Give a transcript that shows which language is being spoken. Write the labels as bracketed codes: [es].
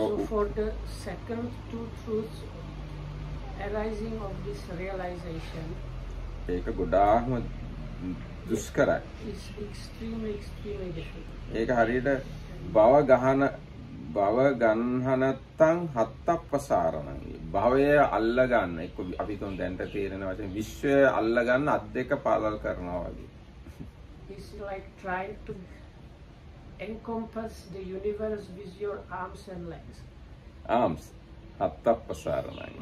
[en] for the second two truths arising of this realization [si] ඒක ගොඩාක්ම දුෂ්කරයි. [en] It's extremely difficult. [si] ඒක හරියට [pi] භව ගහන භව ගන්හනත්තං හත්තප්පසාරණං [si] භවය අල්ල ගන්න එක්ක අපි තුන් දැන්ට තේරෙන වශයෙන් විශ්වය අල්ල ගන්න අත් දෙක පාලල් කරනවා වගේ [en] is like trying to encompass the universe with your arms and legs [pi] arms හත්තප්පසාරණං